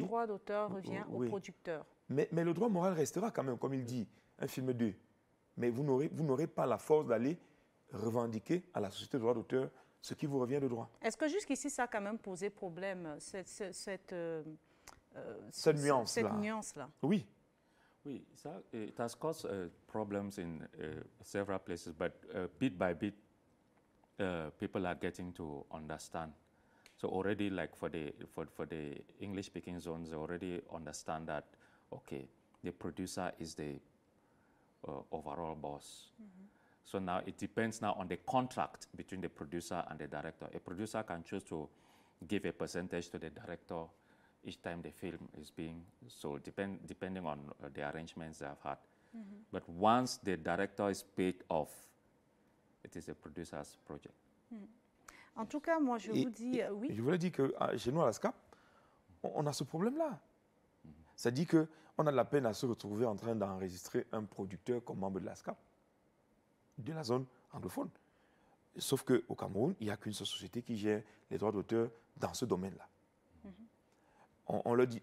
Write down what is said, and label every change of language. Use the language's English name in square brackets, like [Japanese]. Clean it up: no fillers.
[French] Tout droit d'auteur revient au producteur. Mais le droit moral restera quand même, comme il dit, un film 2. Mais vous n'aurez pas la force d'aller revendiquer à la société de droit d'auteur ce qui vous revient de droit. Est-ce que jusqu'ici, ça a quand même posé problème, cette nuance-là? Cette nuance-là. Oui. Oui, ça, [English] it has caused problems in several places, but bit by bit, people are getting to understand. So already, like for the English speaking zones, they already understand that, okay, the producer is the overall boss. Mm-hmm. So now it depends now on the contract between the producer and the director. A producer can choose to give a percentage to the director each time the film is being sold, depending on the arrangements they have had. Mm-hmm. But once the director is paid off, it is a producer's project. Mm. [French] En tout cas, moi, je vous dis, oui. Je voulais dire que chez nous, à la SCAP, on a ce problème-là. Ça dit qu'on a de la peine à se retrouver en train d'enregistrer un producteur comme membre de la SCAP, de la zone anglophone. Sauf qu'au Cameroun, il n'y a qu'une seule société qui gère les droits d'auteur dans ce domaine-là. Mm-hmm.